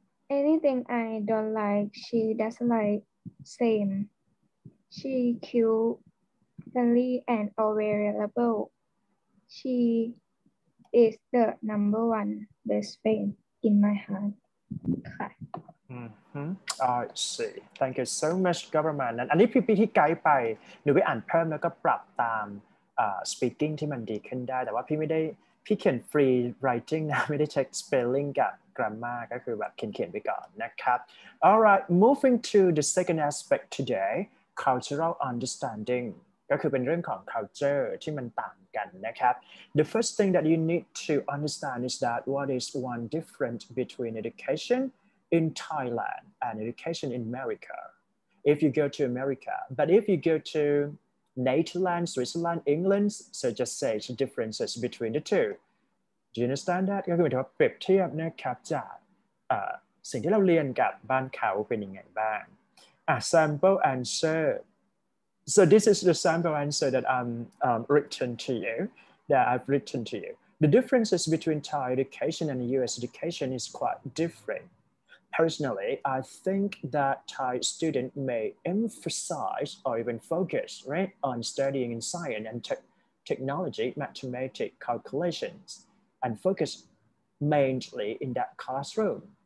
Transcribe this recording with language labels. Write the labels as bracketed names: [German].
[English] anything I don't like she doesn't like same she cute friendly and always reliable she is the number one best friend in my heart ค่ะ I see thank you so much government [Thai] อันนี้พี่ๆที่ไกด์ไปหนูไปอ่านเพิ่มแล้วก็ปรับตามspeaking ที่มันดีขึ้นได้แต่ว่าพี่ไม่ได้พี่เขียน free writing นะไม่ได้เช็ค spelling กับ grammar ก็คือแบบเขียนๆไปก่อนนะครับ [English] alright moving to the second aspect today cultural understanding [Thai] ก็คือเป็นเรื่องของ culture ที่มันต่างกันนะครับ [English] the first thing that you need to understand is that what is one difference between education in Thailand and education in America if you go to America but if you go tonatureland, Switzerland, England, so just say the differences between the two. Do you understand that? [Thai] ก็คือเปรียบเทียบนะครับจากสิ่งที่เราเรียนกับบ้านเขาเป็นยังไงบ้าง [English] sample answer. So this is the sample answer that I'm written to you, that I've written to you. The differences between Thai education and US education is quite different. Personally, I think that Thai student may emphasize or even focus, right, on studying in science and technology, mathematics, calculations, and focus mainly in that classroom.